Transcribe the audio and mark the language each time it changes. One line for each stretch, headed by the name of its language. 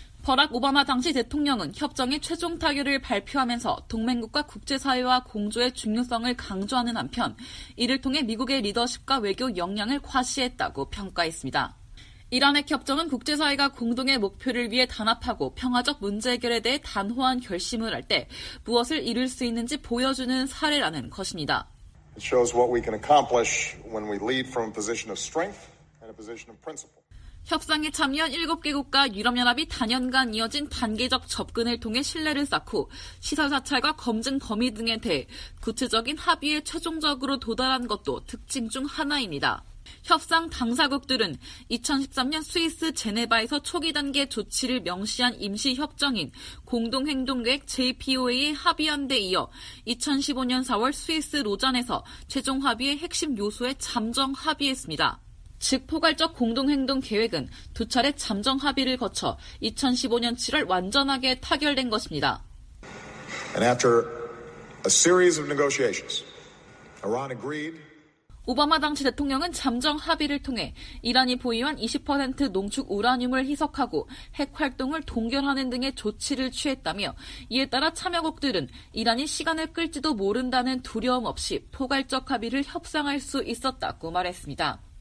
Korean: 버락 오바마 당시 대통령은 협정의 최종 타결을 발표하면서 동맹국과 국제사회와 공조의 중요성을 강조하는 한편 이를 통해 미국의 리더십과 외교 역량을 과시했다고 평가했습니다. 이란의 협정은 국제사회가 공동의 목표를 위해 단합하고 평화적 문제 해결에 대해 단호한 결심을 할 때 무엇을 이룰 수 있는지 보여주는 사례라는 것입니다.
English: It shows what we can accomplish when we lead from a position of strength and a position of principle.
Korean: 협상에 참여한 7개국과 유럽연합이 단연간 이어진 단계적 접근을 통해 신뢰를 쌓고 시설 사찰과 검증 범위 등에 대해 구체적인 합의에 최종적으로 도달한 것도 특징 중 하나입니다. 협상 당사국들은 2013년 스위스 제네바에서 초기 단계 조치를 명시한 임시협정인 공동행동계획 JPOA에 합의한 데 이어 2015년 4월 스위스 로잔에서 최종 합의의 핵심 요소에 잠정 합의했습니다. 즉 포괄적 공동행동 계획은 두 차례 잠정 합의를 거쳐 2015년 7월 완전하게 타결된 것입니다.
English: And after a series of negotiations, Iran agreed.
Korean: 오바마 당시 대통령은 잠정 합의를 통해 이란이 보유한 20% 농축 우라늄을 희석하고 핵활동을 동결하는 등의 조치를 취했다며 이에 따라 참여국들은 이란이 시간을 끌지도 모른다는 두려움 없이 포괄적 합의를 협상할 수 있었다고 말했습니다.